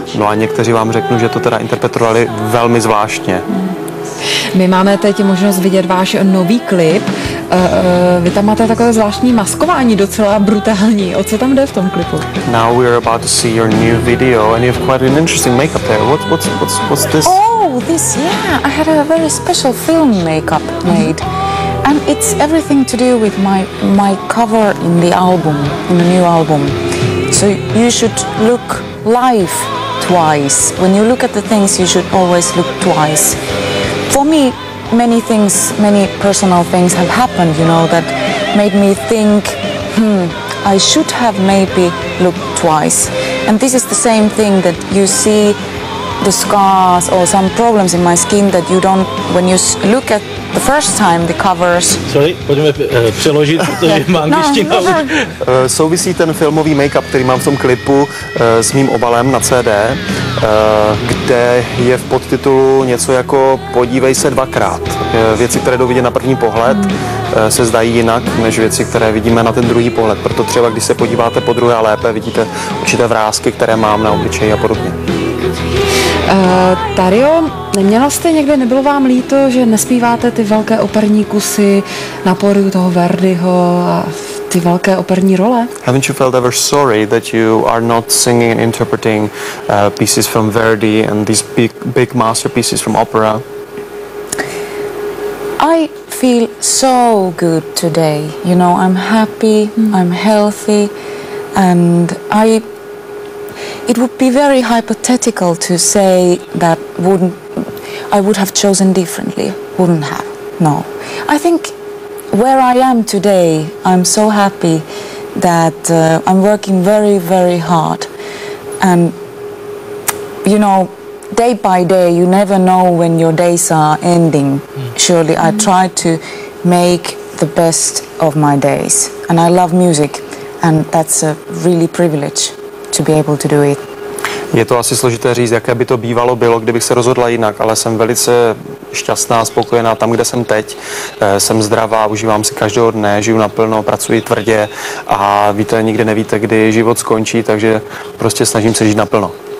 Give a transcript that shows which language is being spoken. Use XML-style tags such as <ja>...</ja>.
<cs>No a někteří vám řeknou, že to teda interpretovali velmi zvláštně. My máme teď možnost vidět váš nový klip. Vy tam máte takové zvláštní maskování, docela brutální. O co tam jde v tom klipu?</cs> <en>Now we are about to see your new video and you have quite an interesting makeup there. What's this? I had a very special film makeup made and it's everything to do with my cover in the album, in the new album. So you should look life twice. When you look at the things, you should always look twice. For me, many things, many personal things have happened, you know, that made me think, I should have maybe looked twice. And this is the same thing that you see the scars or some problems in my skin that you don't, when you look at the first time the covers.</en> <cs>Sorry, pojďme přeložit, protože mám angličtina už. Souvisí ten filmový make-up, který mám v tom klipu s mým obalem na CD, kde je v podtitulu něco jako Podívej se dvakrát. Věci, které jdou vidět na první pohled, se zdají jinak než věci, které vidíme na ten druhý pohled. Proto třeba, když se podíváte po druhé lépe, vidíte určité vrásky, které mám na obličeji a podobně. Tario, neměla jste někde, nebylo vám líto, že nespíváte ty velké operní kusy na pódiu toho Verdiho a ty velké operní role?</cs> <en>Haven't you felt ever sorry that you are not singing and interpreting pieces from Verdi and these big masterpieces from opera? I feel so good today. You know, I'm happy, I'm healthy and it would be very hypothetical to say that I would have chosen differently. Wouldn't have. No. I think where I am today, I'm so happy that I'm working very, very hard. And, you know, day by day, you never know when your days are ending. Surely I try to make the best of my days. And I love music. And that's a really privilege to be able to do it.</en> <cs>Je to asi složité říct, jaké by to bývalo bylo, kdybych se rozhodla jinak, ale jsem velice šťastná, spokojená tam, kde jsem teď. Jsem zdravá, užívám si každého dne, žiju naplno, pracuji tvrdě a víte, nikdy nevíte, kdy život skončí, takže prostě snažím se žít naplno.</cs>